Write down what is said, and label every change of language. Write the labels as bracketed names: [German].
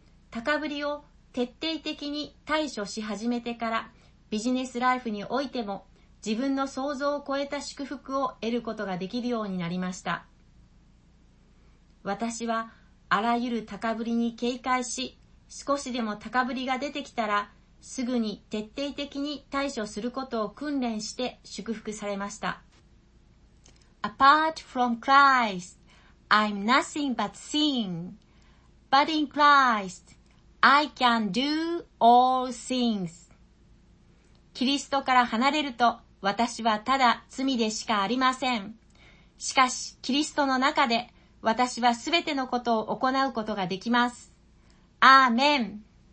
[Japanese] 高ぶりを徹底的に対処し始めてから、ビジネスライフにおいても、自分の想像を超えた祝福を得ることができるようになりました。私は、あらゆる高ぶりに警戒し、少しでも高ぶりが出てきたら、すぐに徹底的に対処することを訓練して祝福されました。 [English] Apart from Christ, I'm nothing but sin. But in Christ, I can do all things. [Japanese] キリストから離れると、私はただ罪でしかありません。しかし、キリストの中で、私はすべてのことを行うことができます。アーメン。